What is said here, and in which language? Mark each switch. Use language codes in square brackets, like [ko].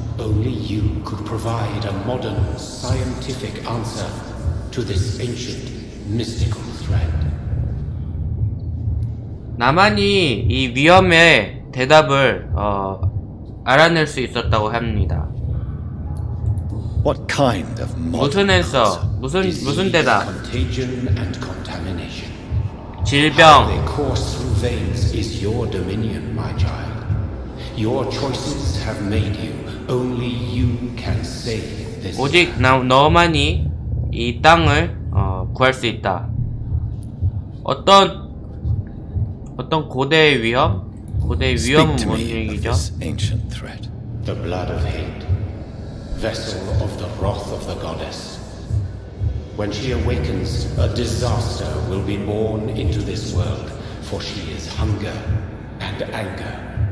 [en] Only you could provide a modern scientific answer to this ancient mystical threat. [ko] 나만이 이 위험의 대답을 알아낼 수 있었다고 합니다. [en] What kind of modern answer? [ko] 무슨 대답? [en] Contagion and contamination. [ko] 질병. [en] How they course through veins is your dominion, my child. Your choices have made you. Only you can save this. [ko] 오직 너만이 이 땅을 구할 수 있다. 어떤 고대의 위험? 고대의 위험은 뭔 얘기죠? [en] This ancient threat. The blood of hate. Vessel of the wrath of the goddess. When she awakens, a disaster will be born into this world, for she is hunger and anger.